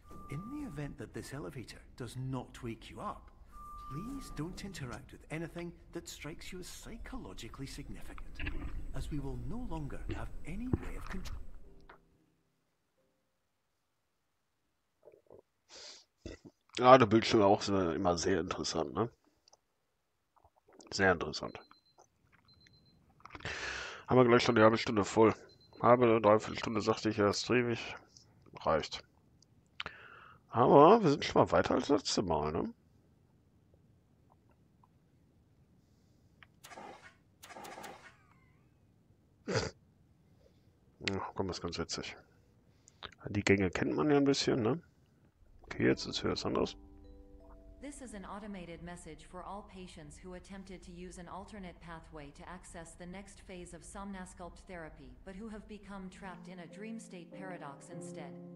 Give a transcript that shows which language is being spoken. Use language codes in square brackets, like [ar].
[en] In the event that this elevator does not wake you up, please don't interact with anything that strikes you as psychologically significant, as we will no longer have any way of control. [de] Ja, der Bildschirm auch immer sehr interessant, ne? Sehr interessant. Haben wir gleich schon die halbe Stunde voll. Halbe oder dreiviertel Stunde, sagte ich ja, streamig. Reicht. Aber wir sind schon mal weiter als das letzte Mal, ne? Ach, komm, das ist ganz witzig. Die Gänge kennt man ja ein bisschen, ne? Okay, jetzt ist hier was anderes. [en] This is an automated message for all patients who attempted to use an alternate pathway to access the next phase of Somnasculpt therapy, but who have become trapped in a dream state paradox instead.